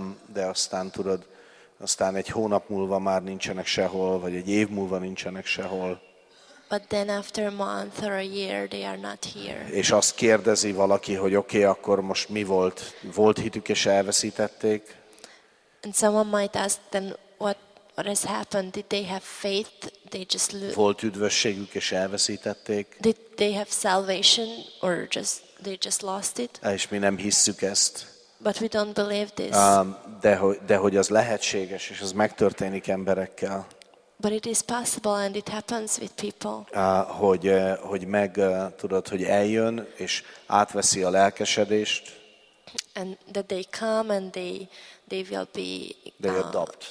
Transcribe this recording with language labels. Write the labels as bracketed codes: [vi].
[hu] De aztán egy hónap múlva már nincsenek sehol, vagy egy év múlva nincsenek sehol. [en] But then after a month or a year they are not here. [hu] És azt kérdezi valaki, hogy oké, akkor most mi volt? Volt hitük és elveszítették? [en] And someone might ask then what has happened? Did they have faith? They just [hu] Volt üdvösségük és elveszítették? [en] Did they have salvation or just they just lost it? [hu] És mi nem hisszük ezt. [en] But we don't believe this. [hu] De hogy az lehetséges és az megtörténik emberekkel. [en] But it is possible and it happens with people. [hu] Tudod, hogy eljön és átveszi a lelkesedést. [en] And that they come and they will be